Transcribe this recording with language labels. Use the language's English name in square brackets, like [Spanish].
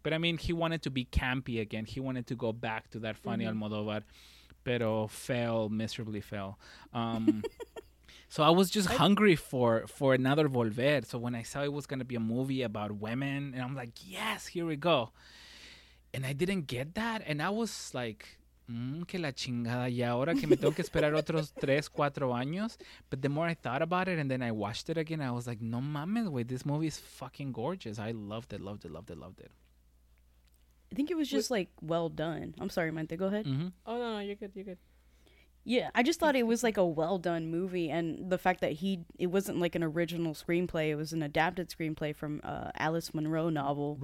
[English] But I mean, he wanted to be campy again. He wanted to go back to that funny Almodóvar. [Spanish] Pero [English] fell, miserably fell. So I was just hungry for another Volver. So when I saw it was going to be a movie about women, and I'm like, yes, here we go. And I didn't get that. And I was like, [Spanish] que la chingada. Y ahora que me tengo que esperar otros 3-4 años. [English] But the more I thought about it, and then I watched it again, I was like, [Spanish] no mames, [English] wait, this movie is fucking gorgeous. I loved it, loved it, loved it, loved it. I think it was just, like, well done. I'm sorry, Mente, go ahead. Mm-hmm. Oh, no, you're good, you're good. Yeah, I just thought it was, like, a well-done movie, and the fact that it wasn't, like, an original screenplay, it was an adapted screenplay from Alice Munro novel.